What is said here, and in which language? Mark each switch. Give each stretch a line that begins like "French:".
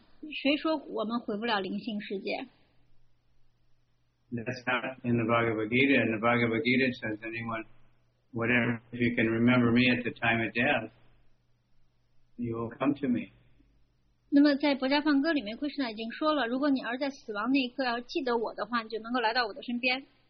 Chinese: 谁说我们回不了灵性世界？
English: That's not in the Bhagavad Gita. And the Bhagavad Gita says anyone, whatever, if you can remember me at the time of death, you will come to me.
Chinese: 那么在博迦梵歌里面慧士呢已经说了，如果你而在死亡那一刻要记得我的话，你就能够来到我的身边。